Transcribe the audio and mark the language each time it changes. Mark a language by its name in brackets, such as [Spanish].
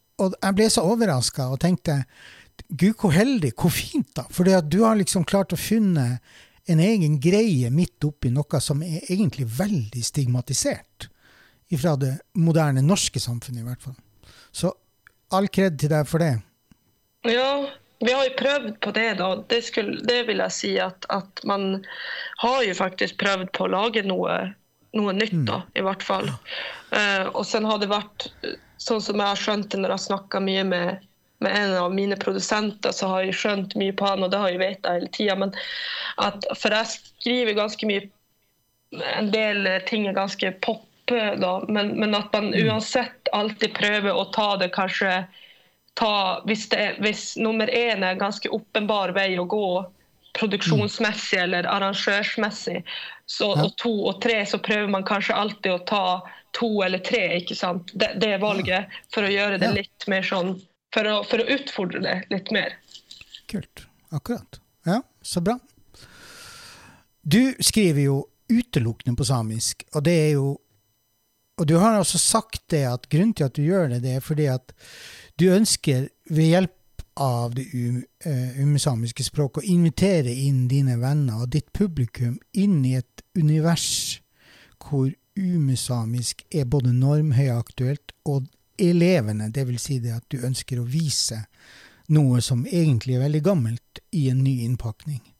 [Norwegian] Og jeg ble så overrasket og tenkte, gud, hvor heldig, hvor fint da. Fordi at du har liksom klart å finne en egen greie midt oppi noe som er egentlig veldig stigmatisert ifra det moderne norske samfunnet i hvert fall. Så all kredd til deg for det. [Swedish] Ja, vi har ju prövat på det då. Det vill jag säga att man har ju faktiskt prövat på att laga något nytt då, i vart fall. Och sen har det varit sånt som jag har skönt när jag snackar mycket med en av mina producenter, så har jag skönt mycket på han, och det har jag vetat hela tiden, men att för jag skriver ganska mycket, en del ting är ganska pop då, men att man oavsett alltid pröver att ta det, kanske ta hvis nummer en är ganska uppenbar väg att gå produktionsmässigt eller arrangörsmässigt, så och två och tre, så pröver man kanske alltid att ta två eller tre, inte sant, det valget, för att göra det lite mer sån, för att utfordra det lite mer. [Norwegian] Kult. Akkurat. Ja, så bra. [Swedish] Du skriver ju utelukkande på samisk, och det är ju, och du har också sagt det, att grunden till att du gör det är för att [Norwegian] du ønsker ved hjelp av det umesamiske språket å invitere inn dine venner og ditt publikum inn I et univers hvor umesamisk både norm høyaktuelt og elevene, det vil si det at du ønsker å vise noe som egentlig veldig gammelt I en ny innpakning.